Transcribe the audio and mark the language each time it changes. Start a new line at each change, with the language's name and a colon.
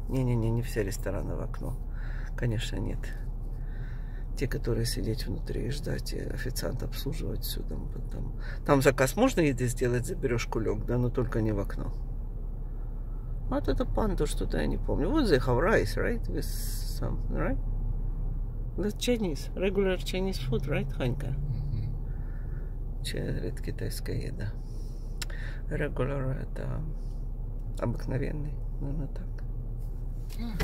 Russian: Не все рестораны в окно. Конечно, нет. Те, которые сидеть внутри и ждать, и официант обслуживать все там. Там заказ можно еды сделать, заберешь кулек, да, но только не в окно. Вот это панда, что-то я не помню.
English: Вот they have rice, right? With some, right? That's Chinese. Regular Chinese food, right, Ханька?
Russian: Это китайская еда. Regular это обыкновенный, наверное, так.